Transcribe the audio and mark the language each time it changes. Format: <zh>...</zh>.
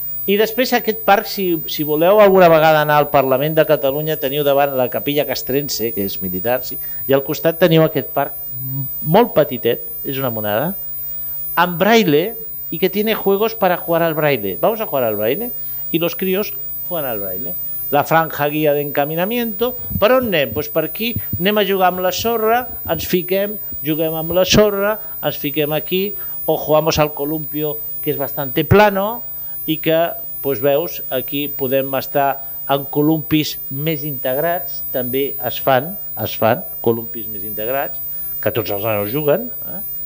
<ca>I després aquest parc, si voleu alguna vegada anar al Parlament de Catalunya, teniu davant la Capilla Castrense, que és militar, sí, i al costat teniu aquest parc molt petitet, és una monada, amb braille, i</ca> <es>que tiene juegos para jugar al braille. Vamos a jugar al braille, i los críos juegan al braille.</es> <ca>La franja guia d'encaminamiento, per on anem? Pues per aquí, anem a jugar amb la sorra, ens fiquem, juguem amb la sorra, ens fiquem aquí,</ca> <es>o jugamos al columpio,</es> <ca>que és</ca> <es>bastante plano,</es> <ca>i que, pues veus, aquí podem estar en columpis més integrats, també es fan columpis més integrats, que tots els nanos juguen, eh?</ca>